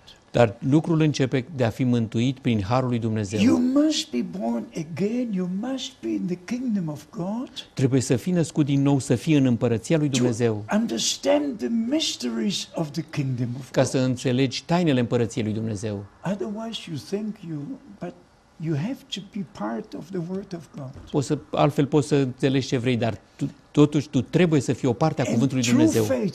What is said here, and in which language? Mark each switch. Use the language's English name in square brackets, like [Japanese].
[Romanian] Dar lucrul începe de a fi mântuit prin harul lui Dumnezeu. [English] You must be born again, you must be in the kingdom of God. [Romanian] Trebuie să fii născut din nou, să fii în împărăția lui Dumnezeu. [English] To understand the mysteries of the kingdom of God. [Romanian] Ca să înțelegi tainele împărăției lui Dumnezeu. [English] Otherwise you think you but you have to be part of the word of God. [Romanian] Altfel poți să înțelegi ce vrei, dar totuși tu trebuie să fii o parte a cuvântului Dumnezeu.